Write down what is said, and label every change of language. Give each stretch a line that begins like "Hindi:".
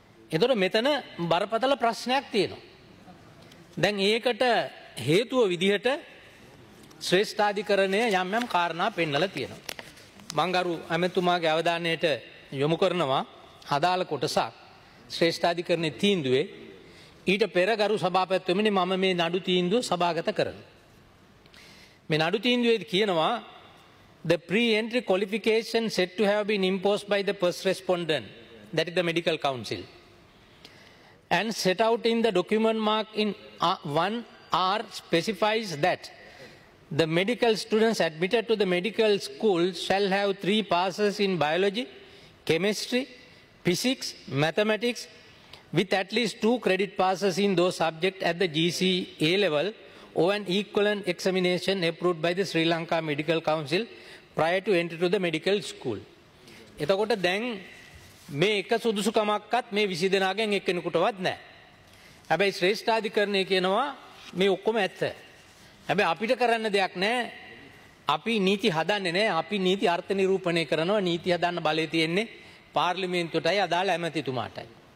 Sinhala: එතකොට මෙතන බරපතල ප්‍රශ්නයක් තියෙනවා. දැන් ඒකට හේතුව විදිහට ශ්‍රේෂ්ඨාධිකරණය යම් යම් කාරණා පෙන්නලා තියෙනවා. මං ගරු ඇමතිතුමාගේ අවධානයට යොමු කරනවා හදාළ කොටසක් ශ්‍රේෂ්ඨාධිකරණයේ තීන්දුවේ. ඊට පෙර ගරු සභාපතිතුමනි මම මේ නඩු තීන්දුව සභාගත කරන. මේ නඩු තීන්දුවේදී කියනවා
English: the pre-entry qualification said to have been imposed by the first respondent, that is the medical council, and set out in the document mark in 1R specifies that the medical students admitted to the medical school shall have 3 passes in biology, chemistry, physics, mathematics, with at least 2 credit passes in those subjects at the GCA level or an equivalent examination approved by the Sri Lanka Medical Council prior to entry to the medical school.
Sinhala: එතකොට දැන් මේ එක සුදුසුකමක්වත් මේ 20 දෙනාගෙන් එක්කෙනෙකුටවත් නැහැ. හැබැයි ශ්‍රේෂ්ඨාධිකරණයේ කියනවා මේ ඔක්කොම ඇත්ත. හැබැයි අපිට කරන්න දෙයක් නැහැ. අපි නීති හදන්නේ නැහැ. අපි නීති අර්ථ නිරූපණය කරනවා. නීති හදන්න බලය තියෙන්නේ පාර්ලිමේන්තුවටයි අදාළ ඇමතිතුමාටයි.